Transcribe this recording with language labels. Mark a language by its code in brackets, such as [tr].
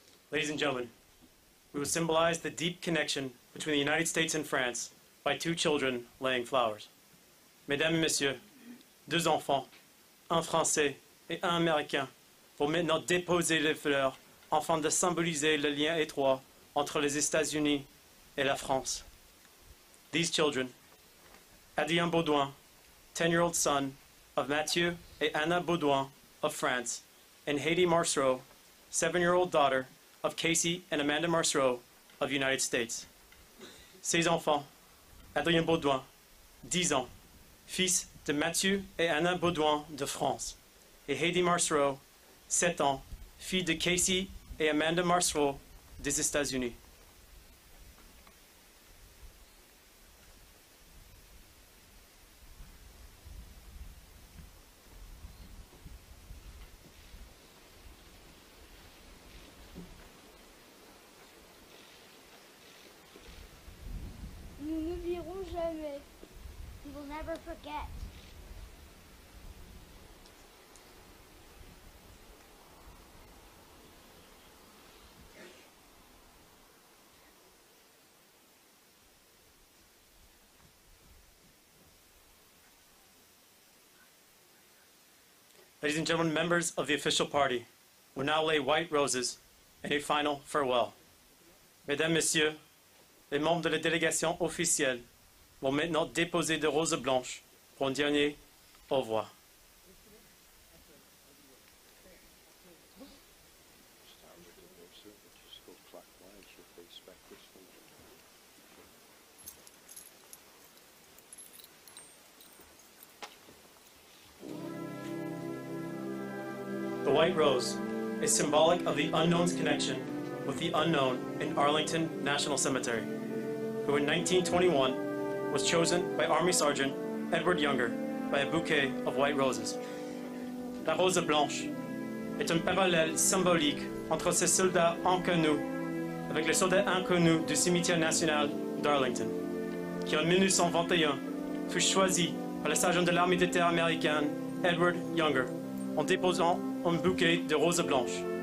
[en] Ladies and gentlemen, we will symbolize the deep connection between the United States and France by two children laying flowers. [fr] Mesdames et messieurs, deux enfants, un français et un américain, vont maintenant déposer les fleurs afin de symboliser le lien étroit entre les États-Unis et la France. [en] These children, Adrien Baudouin, 10-year-old son of Mathieu et Anna Baudouin of France, and Haiti Marceau, 7-year-old daughter of Casey and Amanda Marceau of United States. [fr] Ses enfants, Adrien Baudouin, 10 ans, fils de Mathieu et Anna Baudouin de France, et Haiti Marceau, 7 ans, fille de Casey et Amanda Marceau des États-Unis. [en] Ladies and gentlemen, members of the official party will now lay white roses in a final farewell. [fr] Mesdames, Messieurs, les membres de la délégation officielle vont maintenant déposer des roses blanches pour un dernier au revoir. [en] The white rose is symbolic of the unknown's connection with the unknown in Arlington National Cemetery, who in 1921 was chosen by Army Sergeant Edward Younger by a bouquet of white roses. [fr] La rose blanche est un parallèle symbolique entre ces soldats inconnus avec les soldats inconnus du cimetière national d'Arlington, qui en 1921 fut choisi par le sergent de l'armée de terre américaine Edward Younger en déposant un bouquet de roses blanches.